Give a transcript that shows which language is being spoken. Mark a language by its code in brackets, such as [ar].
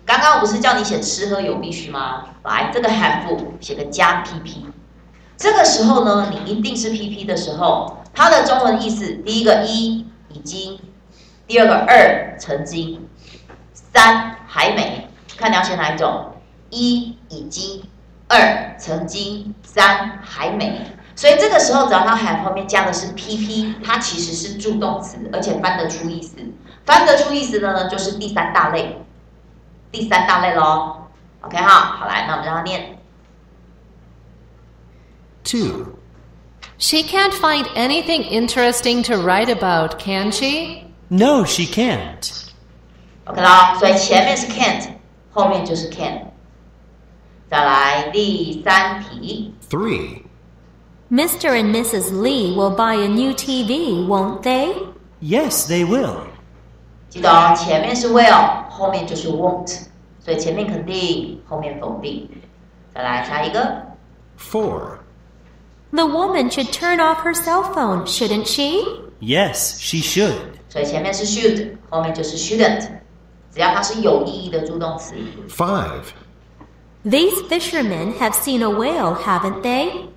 [zh] 刚刚不是叫你写吃喝有必须吗？来，这个 have 写个加 pp， 这个时候呢，你一定是 pp 的时候，它的中文意思，第一个一已经，第二个二曾经，三还没，看你要写哪一种，一已经，二曾经，三还没。所以这个时候只要它 have 后面加的是 pp， 它其实是助动词，而且翻得出意思。翻得出意思的呢，就是第三大类，第三大类咯。 OK 哈，好来，那我们让它念。 [en] Two. She can't find anything interesting to write about, can she? No, she can't. [zh] OK 啦，所以前面是 can't， 后面就是 can。再来第三题。 [en] Three. Mr. and Mrs. Lee will buy a new TV, won't they? Yes, they will. [zh] 记得哦，前面是 will， 后面就是 won't， 所以前面肯定，后面否定。再来下一个。 [en] Four. The woman should turn off her cell phone, shouldn't she? Yes, she should. [zh] 所以前面是 should， 后面就是 shouldn't。只要它是有意义的助动词。 [en] Five. These fishermen have seen a whale, haven't they?